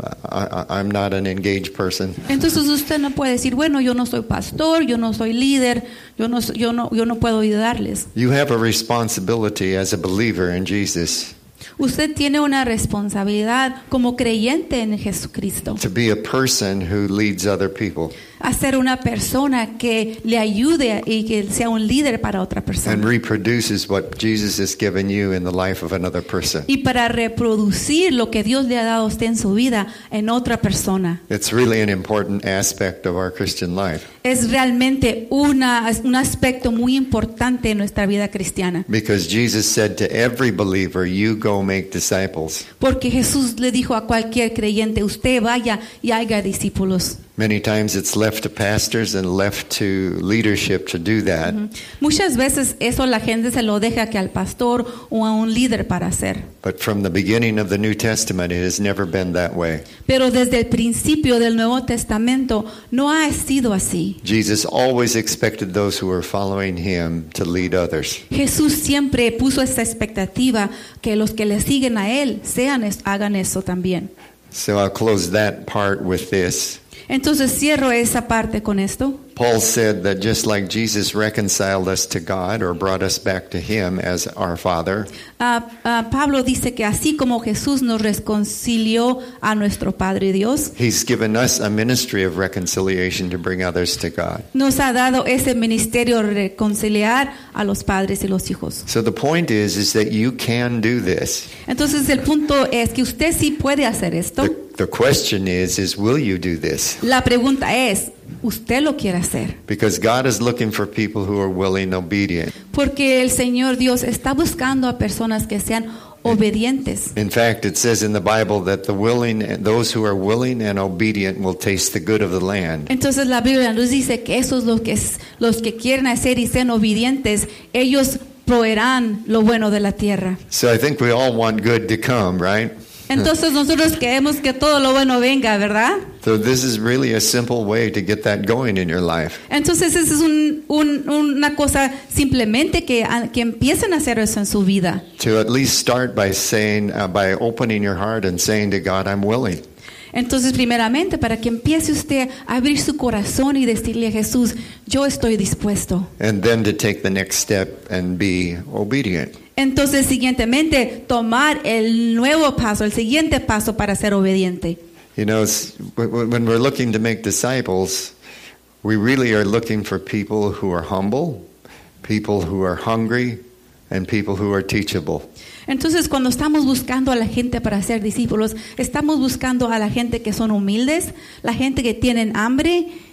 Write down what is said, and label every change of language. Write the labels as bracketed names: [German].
[English] I'm not an engaged person. [Spanish] Entonces usted no puede decir, bueno, yo no soy pastor, yo no soy líder, yo no puedo ayudarles. [English] You have a responsibility as a believer in Jesus. [Spanish] Usted tiene una responsabilidad como creyente en Jesucristo. [English] To be a person who leads other people. [Spanish] A ser una persona que le ayude y que sea un líder para otra persona. [English] And reproduces what Jesus has given you in the life of another person. [Spanish] Y para reproducir lo que Dios le ha dado a usted en su vida en otra persona. [English] It's really an important aspect of our Christian life. [Spanish] Es realmente un aspecto muy importante en nuestra vida cristiana. [English] Because Jesus said to every believer, you go make disciples. [Spanish] Porque Jesús le dijo a cualquier creyente, usted vaya y haga discípulos. [English] Many times it's left to pastors and left to leadership to do that. [Spanish] Muchas veces eso la gente se lo deja que al pastor o a un líder para hacer. [English] But from the beginning of the New Testament, it has never been that way. [Spanish] Pero desde el principio del Nuevo Testamento no ha sido así. [English] Jesus always expected those who were following him to lead others. [Spanish] Jesús siempre puso esa expectativa que los que le siguen a él hagan eso también. [English] So I'll close that part with this. [Spanish] Entonces cierro esa parte con esto. [English] Paul said that just like Jesus reconciled us to God or brought us back to him as our father. [Spanish] Pablo dice que así como Jesús nos reconcilió a nuestro Padre Dios, [English] he's given us a ministry of reconciliation to bring others to God. [Spanish] Nos ha dado ese ministerio de reconciliar a los padres y los hijos. [English] So the point is that you can do this. [Spanish] Entonces el punto es que usted sí puede hacer esto. [English] The question is will you do this? [Spanish] La pregunta es, ¿usted lo quiere hacer? [English] Because God is looking for people who are willing and obedient. [Spanish] Porque el Señor Dios está buscando a personas que sean obedientes. [English] In fact, it says in the Bible that the willing, those who are willing and obedient will taste the good of the land. [Spanish] Entonces la Biblia nos dice que esos los que quieren hacer y sean obedientes, ellos proveerán lo bueno de la tierra. [English] So I think we all want good to come, right? [Spanish] Entonces nosotros queremos que todo lo bueno venga, ¿verdad? [English] So this is really a simple way to get that going in your life. [Spanish] Entonces esa es una cosa simplemente que empiecen a hacer eso en su vida. [English] To at least start by saying, by opening your heart and saying to God, I'm willing. [Spanish] Entonces primeramente para que empiece usted a abrir su corazón y decirle a Jesús, yo estoy dispuesto. [English] And then to take the next step and be obedient. [Spanish] Entonces, siguientemente, tomar el nuevo paso, el siguiente paso para ser obediente. [English] You know, when we're looking to make disciples, we really are looking for people who are humble, people who are hungry, and people who are teachable. [Spanish] Entonces, cuando estamos buscando a la gente para ser discípulos, estamos buscando a la gente que son humildes, la gente que tienen hambre.